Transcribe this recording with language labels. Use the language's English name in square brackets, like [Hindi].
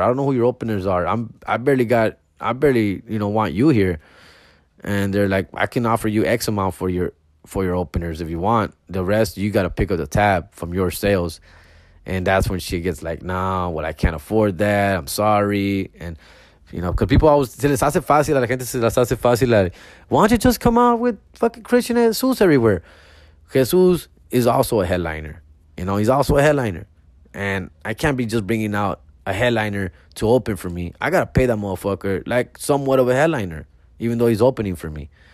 [English] I don't know who your openers are. I barely want you here. And they're like, I can offer you X amount for your openers if you want. The rest, you got to pick up the tab from your sales. And that's when she gets like, nah, well, I can't afford that. I'm sorry. And, you know, because people always say, [Spanish] les hace fácil, la gente se las hace fácil. [English] Why don't you just come out with fucking Christian and Jesus everywhere? Jesus is also a headliner. You know, he's also a headliner. And I can't be just bringing out a headliner to open for me. I got to pay that motherfucker like somewhat of a headliner, even though he's opening for me.